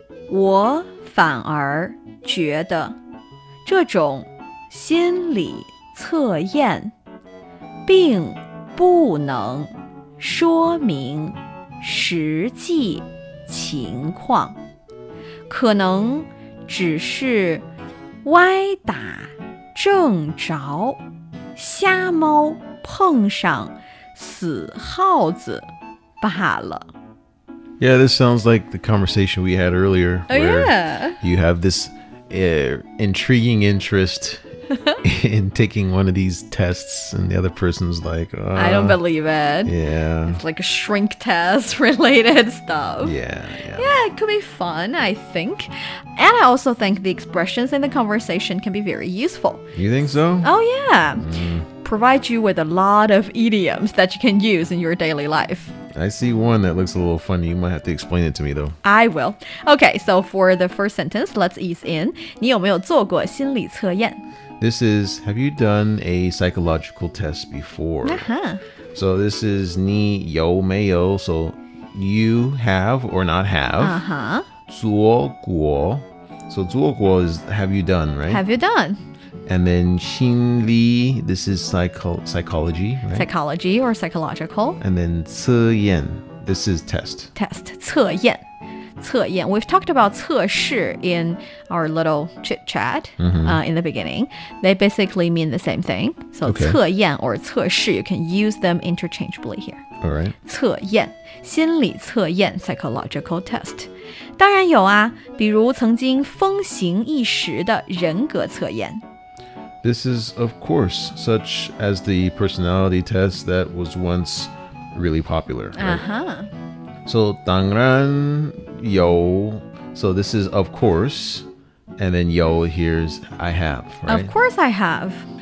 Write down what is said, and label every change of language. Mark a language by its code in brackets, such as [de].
[zh] 我反而觉得这种心理测验并不能说明实际情况，可能只是歪打正着，瞎猫碰上死耗子罢了。 [en] Yeah, this sounds like the conversation we had earlier. Oh, where yeah. You have this intriguing interest in taking one of these tests, and the other person's like, I don't believe it. Yeah. It's like a shrink test related stuff. Yeah, it could be fun, I think. And I also think the expressions in the conversation can be very useful. You think so? Oh, yeah. Provide you with a lot of idioms that you can use in your daily life. I see one that looks a little funny. You might have to explain it to me, though. I will. Okay, so for the first sentence, let's ease in. [zh] 你有没有做过心理测验? [en] This is, have you done a psychological test before? Uh-huh. So this is [zh] 你有没有, [en] so you have or not have. Uh-huh. [zh] 做过, [en] so 做过is have you done, right? Have you done? And then 心理, this is psychology, right? Psychology or psychological. And then 测验, this is test. [zh] Test, 测验, 测验. [en] We've talked about 测试 in our little chit-chat in the beginning. They basically mean the same thing. So 测验 or 测试, you can use them interchangeably here. All right. [zh] 测验, 心理测验, [en] psychological test. [zh] 当然有啊,比如曾经风行一时的人格测验。 [en] This is, of course, such as the personality test that was once really popular. Right? Uh-huh. So, [zh] 当然有. [en] So, this is, of course. And then, 有, here's, I have, right? Of course I have.